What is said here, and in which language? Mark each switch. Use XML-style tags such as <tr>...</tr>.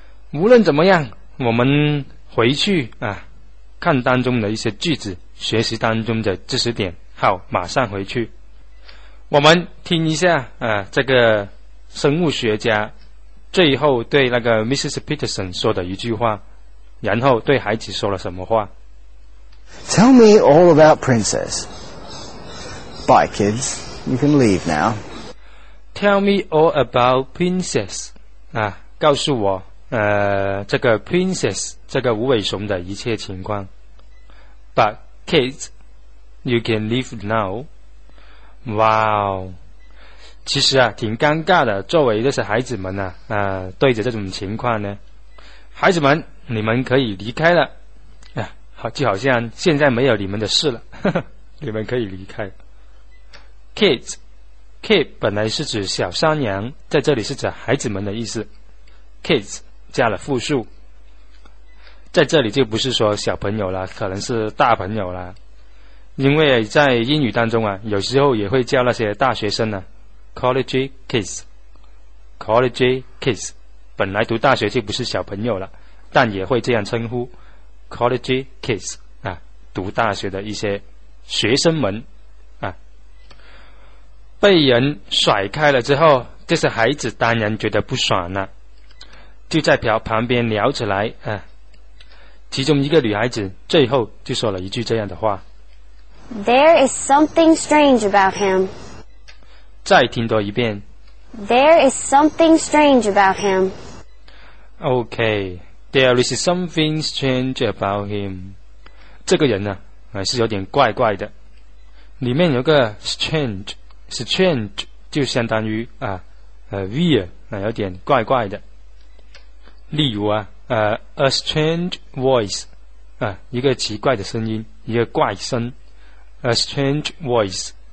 <zh>无论怎么样，我们回去看当中的一些句子，学习当中的知识点。好，马上回去，我们听一下这个生物学家最后对那个 Mrs. Peterson 说的一句话，然后对孩子说了什么话。</zh> <en>Tell me all about Princess. Bye, kids. You can leave now. Tell me all about Princess.</en> <zh>告诉我这个 Princess 这个无尾熊的一切情况。</zh> <en>But, kids, you can leave now. Wow.</en> <zh>其实挺尴尬的，作为这些孩子们对着这种情况呢，孩子们你们可以离开了就好像现在没有你们的事了，你们可以离开。 Kids 本来是指小山羊，在这里是指孩子们的意思， Kids 加了复数，在这里就不是说小朋友了，可能是大朋友了，因为在英语当中有时候也会叫那些大学生呢</zh> <en>College kids</en> <zh>本来读大学就不是小朋友了，但也会这样称呼 College kids 读大学的一些学生们被人甩开了之后，这些孩子当然觉得不爽了，就在旁边聊起来其中一个女孩子最后就说了一句这样的话，</zh> <en>There is something strange about him.</en> <zh>再听多一遍。</zh> <en>There is something strange about him. Okay, there is something strange about him.</en> <zh>这个人是有点怪怪的。里面有个 strange 就相当于weird 有点怪怪的。例如</zh> <en>a strange voice</en> <zh>一个奇怪的声音，一个怪声 ，a strange voice。</zh>